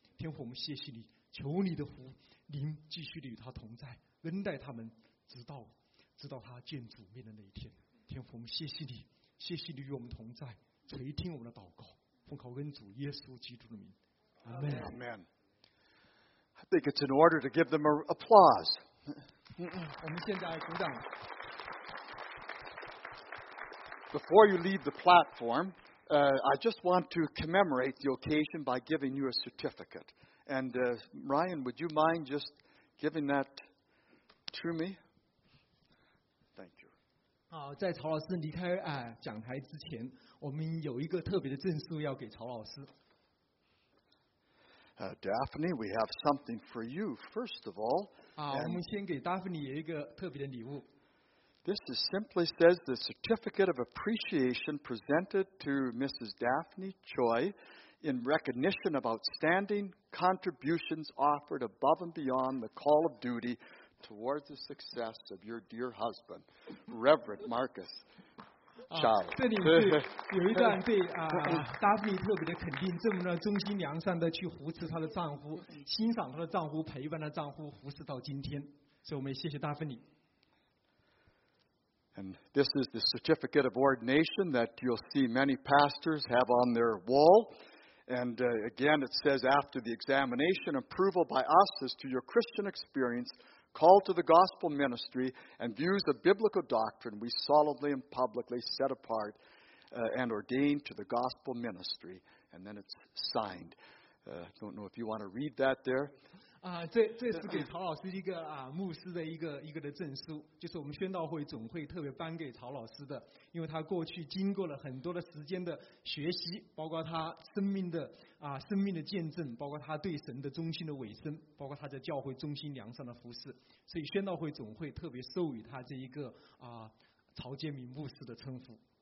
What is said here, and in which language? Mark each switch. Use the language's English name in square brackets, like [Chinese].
[Chinese] 天父，我们谢谢你，求你的福灵继续的与他同在，恩待他们，直到他见主面的那一天。天父，我们谢谢你，谢谢你与我们同在，垂听我们的祷告，奉靠恩主耶稣基督的名。 [English] Amen. Amen. I think it's in order to give them applause. [Chinese] 我们现在鼓掌。 [English] Before you leave the platform, I just want to commemorate the occasion by giving you a certificate. And Ryan, would you mind just giving that to me? Thank you. [Chinese] 好，在曹老师离开讲台之前，我们有一个特别的证书要给曹老师。 [English] Daphne, we have something for you, first of all. [Chinese] 好，我们先给 Daphne 有一个特别的礼物。 [English] This is simply says the certificate of appreciation presented to Mrs. Daphne Choi in recognition of outstanding contributions offered above and beyond the call of duty towards the success of your dear husband, Reverend Marcus Chow. [Chinese] 这里是有一段对Daphne 特别的肯定，这么呢忠心良善的去扶持她的丈夫，欣赏她的丈夫，陪伴她的丈夫，服侍到今天，所以我们也谢谢Daphne。 [English] And this is the certificate of ordination that you'll see many pastors have on their wall. And again, it says, after the examination, approval by us as to your Christian experience, call to the gospel ministry, and views of biblical doctrine, we solemnly and publicly set apart and ordain to the gospel ministry. And then it's signed. I don't know if you want to read that there. [Chinese] 这是给曹老师一个牧师的一个的证书，就是我们宣道会总会特别颁给曹老师的，因为他过去经过了很多的时间的学习，包括他生命的见证，包括他对神的忠心的委身，包括他在教会忠心良善的服侍，所以宣道会总会特别授予他这一个曹建明牧师的称呼。